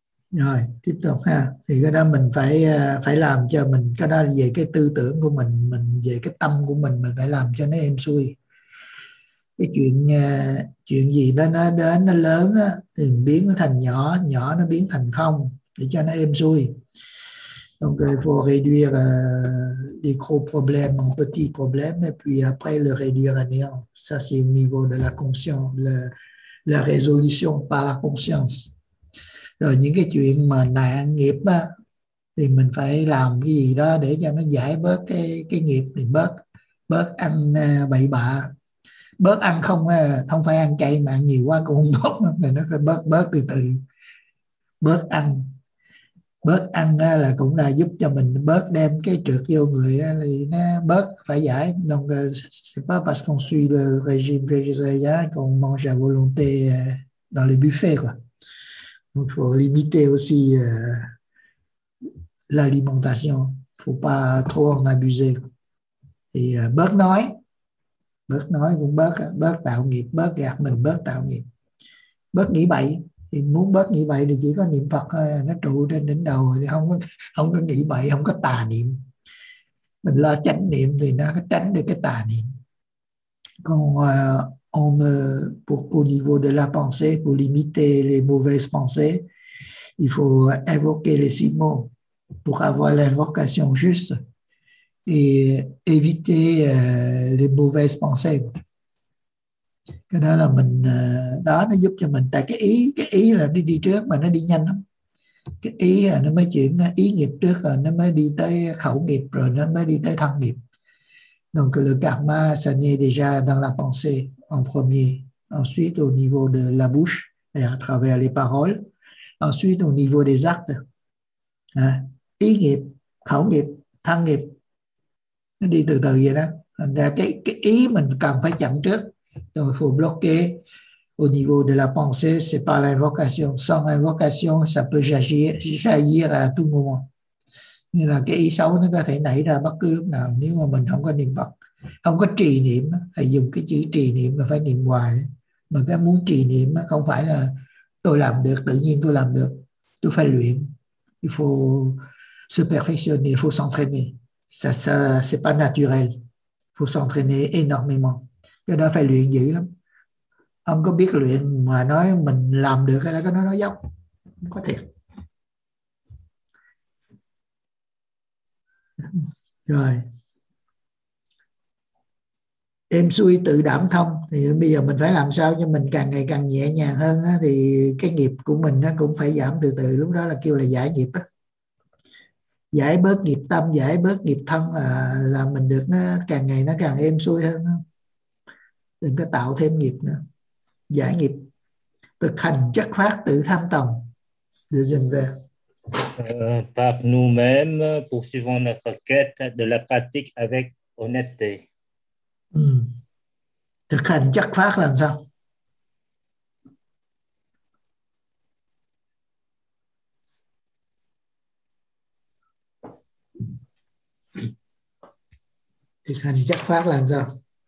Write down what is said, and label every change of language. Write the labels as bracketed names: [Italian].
[Vietnamese] Rồi tiếp tục ha, thì cái đó mình phải làm cho mình, cái đó về cái tư tưởng của mình về cái tâm của mình phải làm cho nó êm xuôi. Cái chuyện gì đó nó đến nó lớn á thì mình biến nó thành nhỏ, nhỏ nó biến thành không để cho nó êm xuôi. [French] Donc il faut réduire les gros problèmes en petits problèmes et puis après le réduire à néant. Ça c'est au niveau de la conscience, la résolution par la conscience. [Vietnamese] Rồi những cái chuyện mà nạn nghiệp á thì mình phải làm cái gì đó để cho nó giải bớt cái nghiệp, thì bớt ăn bậy bạ, bớt ăn không không phải ăn chay mà ăn nhiều quá cũng không tốt, thì nó phải bớt từ từ, bớt ăn là cũng là giúp cho mình bớt đem cái trượt vô người đó, thì nó bớt phải giải. [French] Donc c'est pas parce qu'on suit le régime végétarien qu'on mange à volonté dans les buffets quoi. Donc, faut limiter aussi l'alimentation, faut pas trop en abuser. [Vietnamese] Et bớt nói cũng bớt tạo nghiệp, bớt gạt mình, bớt tạo nghiệp, bớt nghĩ bậy. Thì muốn bớt nghĩ bậy thì chỉ có niệm Phật thôi, nó trụ trên đỉnh đầu thì không có nghĩ bậy, không có tà niệm. Mình lo chánh niệm thì nó có tránh được cái tà niệm. [French] Còn au niveau de la pensée, pour limiter les mauvaises pensées, il faut invoquer les six mots pour avoir l'invocation juste et éviter les mauvaises pensées. [Vietnamese] Cái đó là mình, đó nó giúp cho mình, tại cái ý là nó đi trước mà nó đi nhanh lắm. Cái ý là nó mới chuyển ý nghiệp trước rồi nó mới đi tới khẩu nghiệp rồi nó mới đi tới thân nghiệp. [French] Donc le karma ça naît déjà dans la pensée en premier, ensuite au niveau de la bouche et à travers les paroles, ensuite au niveau des actes. [Vietnamese] Ý nghiệp, khẩu nghiệp, thân nghiệp, nó đi từ từ vậy đó. Thành ra cái ý mình cần phải chậm trước. [French] Donc, il faut bloquer au niveau de la pensée, c'est par l'invocation. Sans invocation, ça peut jaillir à tout moment. [Vietnamese] Nghĩa là cái ý xấu nó có thể nảy ra bất cứ lúc nào nếu mà mình không có niệm Phật, không có trì niệm. Hay dùng cái chữ trì niệm là phải niệm hoài. Mà cái muốn trì niệm không phải là tôi làm được, tự nhiên tôi làm được. Tôi phải luyện. [French] Il faut se perfectionner, il faut s'entraîner. Ça c'est pas naturel. Il faut s'entraîner énormément. [Vietnamese] Cái đó phải luyện dữ lắm. Ông có biết luyện mà nói mình làm được hay là cái nó nói dốc. Có thiệt. Rồi. Êm xuôi tự đảm thông. Thì bây giờ mình phải làm sao cho mình càng ngày càng nhẹ nhàng hơn á, thì cái nghiệp của mình nó cũng phải giảm từ từ. Lúc đó là kêu là giải nghiệp á. Giải bớt nghiệp tâm, giải bớt nghiệp thân là mình được nó càng ngày nó càng êm xuôi hơn á. Đừng có tạo thêm nghiệp nữa. Giải nghiệp. Thực hành chất phát tự tham tòng. Để dừng về. [French] Par nous-mêmes, poursuivons notre quête de la pratique avec honnêteté. [Vietnamese] Thực hành chất phát là sao? Thực hành chất pháp là sao?